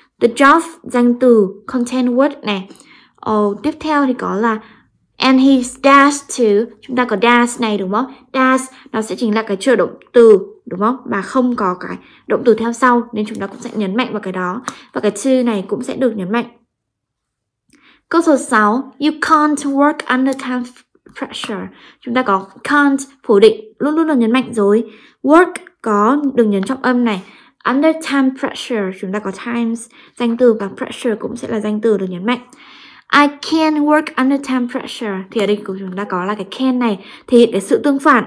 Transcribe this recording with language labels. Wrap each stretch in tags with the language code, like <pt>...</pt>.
<en>The job,</en> <vi>danh từ content word này. Tiếp theo thì có là</vi> <en>and he does to,</en> <vi>chúng ta có does này đúng không? Does, nó sẽ chính là cái trợ động từ, đúng không? Mà không có cái động từ theo sau, nên chúng ta cũng sẽ nhấn mạnh vào cái đó. Và cái to này cũng sẽ được nhấn mạnh. Câu số 6,</vi> <en>you can't work under time pressure.</en> <vi>Chúng ta có can't, phủ định, luôn luôn là nhấn mạnh rồi. Work, có, đừng nhấn trọng âm này.</vi> <en>Under time pressure,</en> <vi>chúng ta có times, danh từ và pressure cũng sẽ là danh từ được nhấn mạnh.</vi> <en>I can work under time pressure.</en> <vi>Thì ở đây của chúng ta có là cái can này, thể hiện cái sự tương phản.</vi>